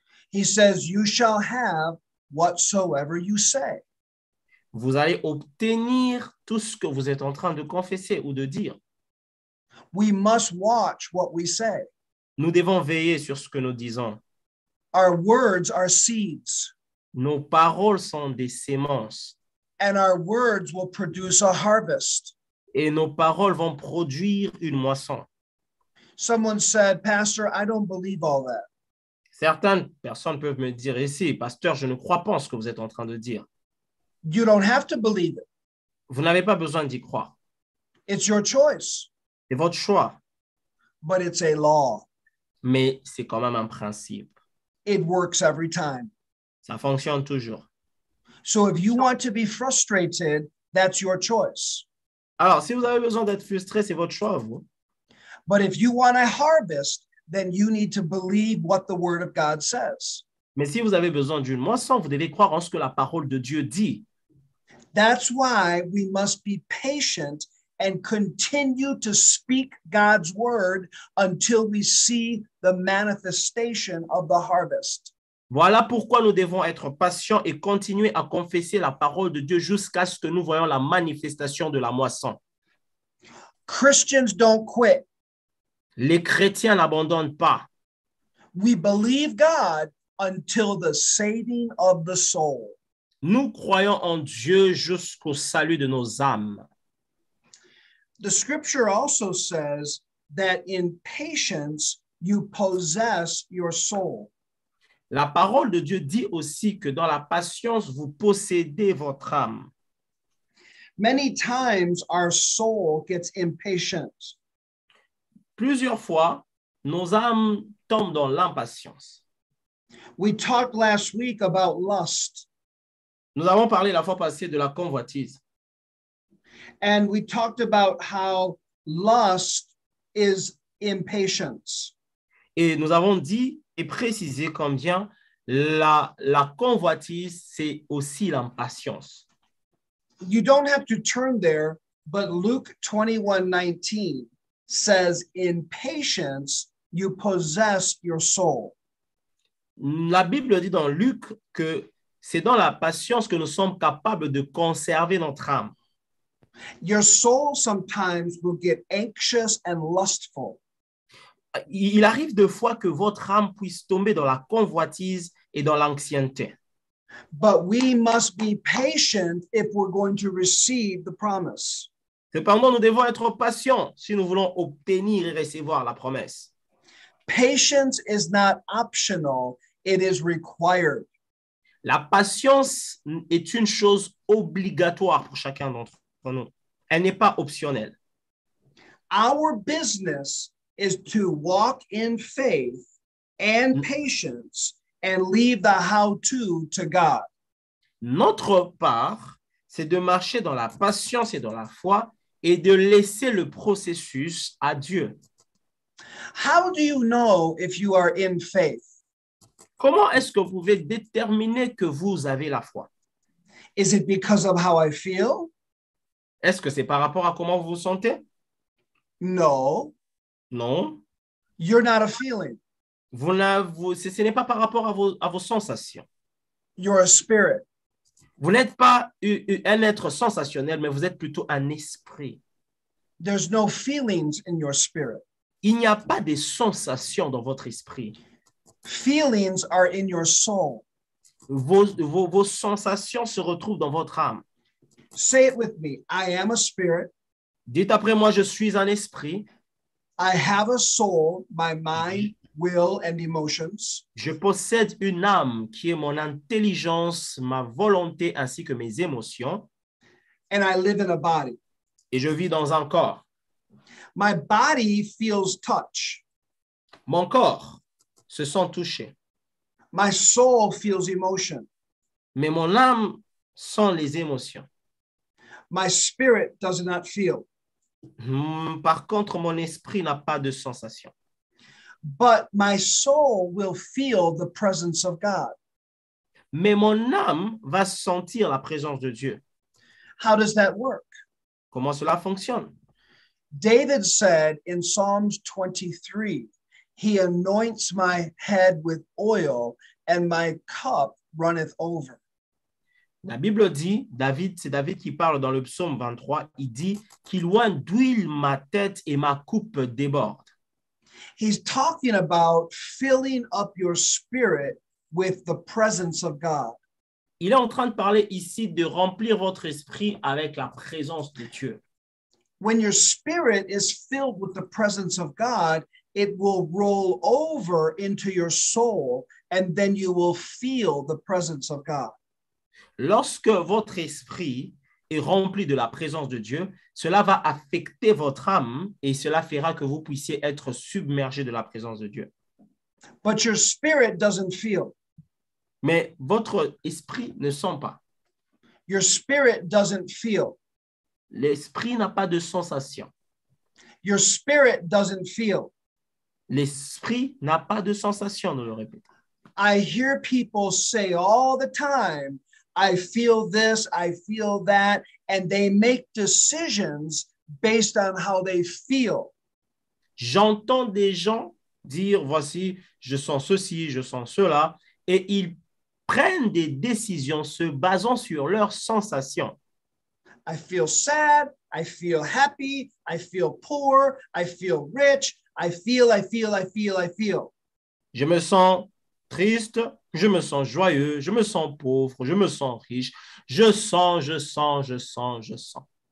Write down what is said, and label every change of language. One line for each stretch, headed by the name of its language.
English: He says, you shall have whatsoever you say.
French: Vous allez obtenir tout ce que vous êtes en train de confesser ou de dire.
English: We must watch what we say.
French: Nous devons veiller sur ce que nous disons.
English: Our words are seeds.
French: Nos paroles sont des semences.
English: And our words will produce a harvest.
French: Et nos paroles vont produire une moisson.
English: Someone said, Pastor, I don't believe all that.
French: Certaines personnes peuvent me dire ici, Pasteur, je ne crois pas en ce que vous êtes en train de dire.
English: You don't have to believe it.
French: Vous n'avez pas besoin d'y croire.
English: It's your choice.
French: C'est votre choix.
English: But it's a law.
French: Mais c'est quand même un principe.
English: It works every time.
French: Ça fonctionne toujours.
English: So if you want to be frustrated, that's your choice.
French: Alors, si vous avez besoin d'être frustré, c'est votre choix, vous.
English: But if you want a harvest, then you need to believe what the word of God says.
French: Mais si vous avez besoin d'une moisson, vous devez croire en ce que la parole de Dieu dit.
English: That's why we must be patient and continue to speak God's word until we see the manifestation of the harvest.
French: Voilà pourquoi nous devons être patients et continuer à confesser la parole de Dieu jusqu'à ce que nous voyons la manifestation de la moisson.
English: Christians don't quit.
French: Les chrétiens n'abandonnent pas.
English: We believe God until the saving of the soul.
French: Nous croyons en Dieu jusqu'au salut de nos âmes.
English: The scripture also says that in patience you possess your soul.
French: La parole de Dieu dit aussi que dans la patience vous possédez votre âme.
English: Many times our soul gets impatient.
French: Plusieurs fois, nos âmes tombent dans l'impatience.
English: We talked last week about lust.
French: Nous avons parlé la fois passée de la convoitise.
English: And we talked about how lust is impatience.
French: Et nous avons dit et précisé combien la convoitise, c'est aussi l'impatience.
English: You don't have to turn there, but Luke 21:19 says, in patience, you possess your soul.
French: La Bible dit dans Luc que c'est dans la patience que nous sommes capables de conserver notre âme.
English: Your soul sometimes will get anxious and lustful.
French: Il arrive de fois que votre âme puisse tomber dans la convoitise et dans l'anxiété.
English: But we must be patient if we're going to receive the promise.
French: Cependant, nous devons être patients si nous voulons obtenir et recevoir la promesse.
English: Patience is not optional, it is required.
French: La patience est une chose obligatoire pour chacun d'entre nous. Elle n'est pas optionnelle.
English: Our business is to walk in faith and patience and leave the how-to to God.
French: Notre part, c'est de marcher dans la patience et dans la foi et de laisser le processus à Dieu.
English: How do you know if you are in faith?
French: Comment est-ce que vous pouvez déterminer que vous avez la foi?
English: Is it because of how I feel?
French: Est-ce que c'est par rapport à comment vous vous sentez?
English: No.
French: Non.
English: You're not a feeling.
French: Ce n'est pas par rapport à vos sensations.
English: You're a spirit.
French: Vous n'êtes pas un être sensationnel, mais vous êtes plutôt un esprit.
English: There's no feelings in your spirit.
French: Il n'y a pas de sensations dans votre esprit.
English: Feelings are in your soul.
French: Vos sensations se retrouvent dans votre âme.
English: Say it with me. I am a spirit.
French: Dites après moi, je suis un esprit.
English: I have a soul, my mind, will and emotions.
French: Je possède une âme qui est mon intelligence, ma volonté ainsi que mes émotions.
English: And I live in a body.
French: Et je vis dans un corps.
English: My body feels touch.
French: Mon corps se sent touché.
English: My soul feels emotion.
French: Mais mon âme sent les émotions.
English: My spirit does not feel.
French: Par contre, mon esprit n'a pas de sensation.
English: But my soul will feel the presence of God.
French: Mais mon âme va sentir la présence de Dieu.
English: How does that work?
French: Comment cela fonctionne?
English: David said in Psalms 23, he anoints my head with oil and my cup runneth over.
French: La Bible dit, David, c'est David qui parle dans le psaume 23, il dit qu'il oint d'huile ma tête et ma coupe déborde.
English: He's talking about filling up your spirit with the presence of God.
French: Il est en train de parler ici de remplir votre esprit avec la présence de Dieu.
English: When your spirit is filled with the presence of God, it will roll over into your soul and then you will feel the presence of God.
French: Lorsque votre esprit est rempli de la présence de Dieu, cela va affecter votre âme et cela fera que vous puissiez être submergé de la présence de Dieu.
English: But your spirit doesn't feel.
French: Mais votre esprit ne sent pas.
English: Your spirit doesn't feel.
French: L'esprit n'a pas de sensation.
English: Your spirit doesn't feel.
French: L'esprit n'a pas de sensation, nous le répétons.
English: I hear people say all the time, I feel this, I feel that, and they make decisions based on how they feel.
French: J'entends des gens dire, voici, je sens ceci, je sens cela, et ils prennent des décisions se basant sur leurs sensations.
English: I feel sad, I feel happy, I feel poor, I feel rich, I feel, I feel, I feel, I feel.
French: Je me sens triste, je me sens joyeux, je me sens pauvre, je me sens riche, je sens, je sens, je sens, je sens.